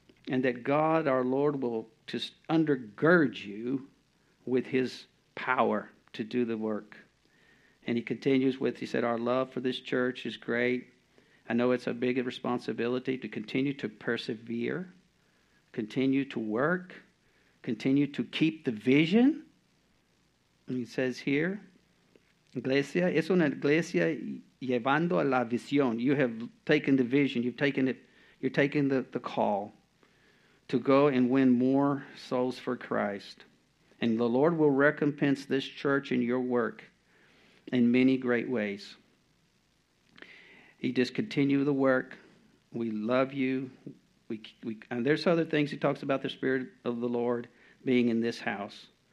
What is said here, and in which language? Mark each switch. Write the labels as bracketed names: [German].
[English] And that God, our Lord, will just undergird you with his power to do the work. And he continues with, he said, our love for this church is great. I know it's a big responsibility to continue to persevere, continue to work, continue to keep the vision. [Spanish] And he says here, Iglesia, es una iglesia llevando la visión. [English] You have taken the vision. You've taken it. You're taking the call to go and win more souls for Christ. And the Lord will recompense this church and your work in many great ways. He just continue the work. We love you. And there's other things he talks about, the Spirit of the Lord being in this house.